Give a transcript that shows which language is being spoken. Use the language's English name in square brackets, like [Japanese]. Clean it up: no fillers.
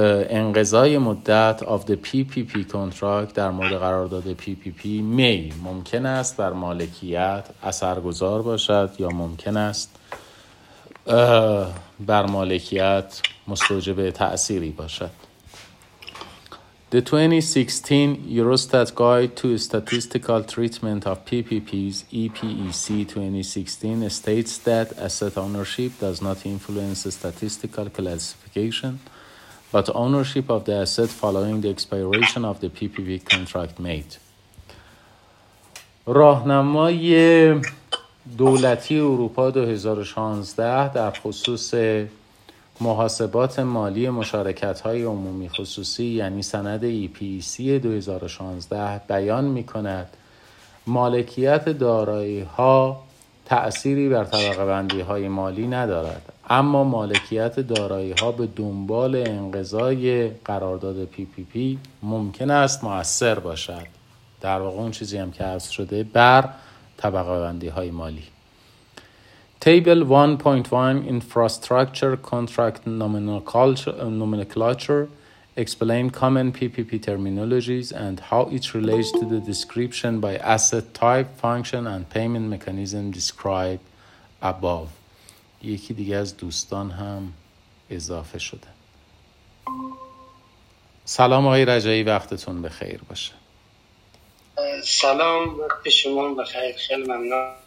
[Persian] انقضای مدت [English] of the PPP contract [Persian] در مورد قرارداد PPP [English] may [Persian] ممکن است بر مالکیت اثرگذار باشد یا ممکن است بر مالکیت مستوجب تأثیری باشد. [English] The 2016 Eurostat Guide to Statistical Treatment of PPPs EPEC 2016 states that asset ownership does not influence statistical classification but ownership of the asset following the expiration of the PPP contract may. [Persian] راهنمای دولتی اروپا 2016 در خصوص محاسبات مالی مشارکت‌های عمومی خصوصی یعنی سند EPEC 2016 بیان می‌کند مالکیت دارایی‌ها تأثیری بر طبقه بندی‌های مالی ندارد اما مالکیت دارایی‌ها به دنبال انقضای قرارداد PPP ممکن است مؤثر باشد در واقع اون چیزی هم که عرض شده بر طبقه بندی‌های مالی. [English] Table 1.1 Infrastructure Contract Nomenclature explain common PPP terminologies and how it relates to the description by asset type, function and payment mechanism described above. [Persian] یکی دیگه از دوستان هم اضافه شده. سلام آقای رجایی وقتتون بخیر باشه. سلام وقت شما بخیر خیلی ممنون.